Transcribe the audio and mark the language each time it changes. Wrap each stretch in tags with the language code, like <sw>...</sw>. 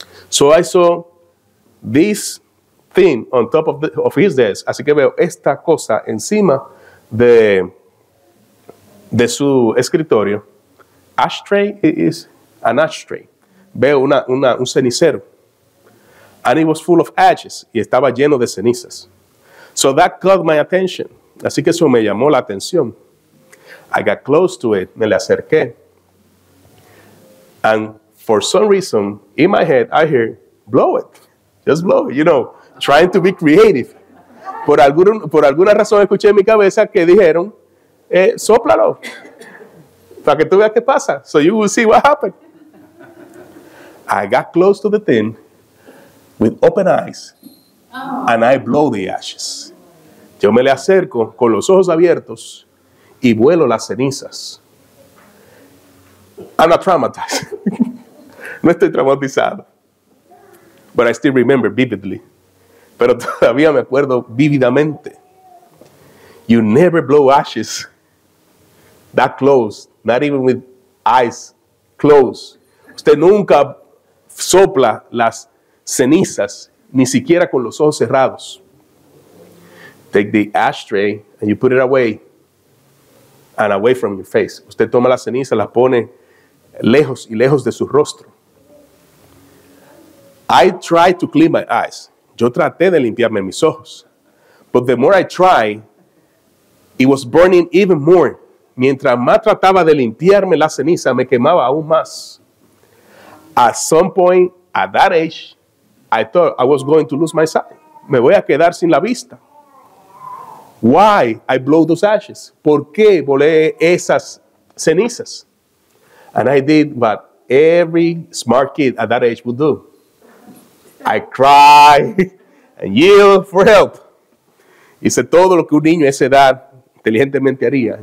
<en>So I saw this thing on top of his desk.</en> <es>Así que veo esta cosa encima de su escritorio.</es> <en>Ashtray is an ashtray.</en> <es>Veo un cenicero.</es> <en>And it was full of ashes.</en> <es>Y estaba lleno de cenizas.</es> <en>So that caught my attention.</en> <es>Así que eso me llamó la atención.</es> <en>I got close to it.</en> <es>Me le acerqué.</es> <en>And for some reason, in my head, I hear, blow it. Just blow it. You know, trying to be creative.</en> <es>Por alguna razón escuché en mi cabeza que dijeron, sóplalo. Para que tú veas qué pasa.</es> <en>So you will see what happened. I got close to the thing with open eyes, and I blow the ashes.</en> <es>Yo me le acerco con los ojos abiertos y vuelo las cenizas.</es> <en>I'm not traumatized.</en> <es>No estoy traumatizado.</es> <en>But I still remember vividly.</en> <es>Pero todavía me acuerdo vívidamente.</es> <en>You never blow ashes that close, not even with eyes closed.</en> <es>Usted nunca sopla las cenizas, ni siquiera con los ojos cerrados.</es> <en>Take the ashtray and you put it away and away from your face.</en> <es>Usted toma las cenizas, las pone lejos y lejos de su rostro.</es> <en>I try to clean my eyes.</en> <es>Yo traté de limpiarme mis ojos.</es> <en>But the more I try, it was burning even more.</en> <es>Mientras más trataba de limpiarme la ceniza, me quemaba aún más.</es> <en>At some point, at that age, I thought I was going to lose my sight.</en> <es>Me voy a quedar sin la vista.</es> <en>Why I blow those ashes?</en> <es>¿Por qué volé esas cenizas?</es> <en>And I did what every smart kid at that age would do. I cry and yell for help.</en> <es>Hice todo lo que un niño a esa edad inteligentemente haría.</es>